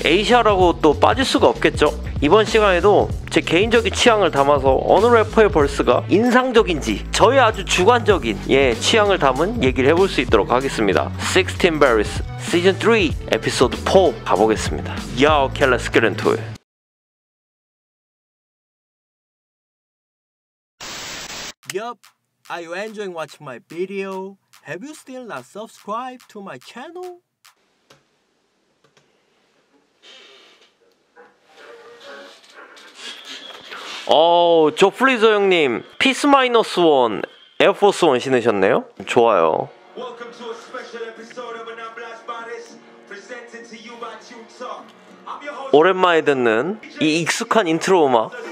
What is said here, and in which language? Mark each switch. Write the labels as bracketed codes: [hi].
[ko] 에이샤라고 또 빠질 수가 없겠죠. 이번 시간에도 제 개인적인 취향을 담아서 어느 래퍼의 벌스가 인상적인지, 저의 아주 주관적인 취향을 담은 얘기를 해볼 수 있도록 하겠습니다. 16 Berries 시즌 3 에피소드 4 가보겠습니다. [en] 야, 오케이, let's get into it. 얍, are you enjoying watching my video? Have you still not subscribed to my channel? [ko] Oh, 조플리저 형님, 피스 마이너스 원, 에어포스 원 신으셨네요? 좋아요. [en] Welcome to a special episode of Not Blast Bodies, presented to you by Tune Talk. [ko] 오랜만에 듣는 이 익숙한 인트로 음악.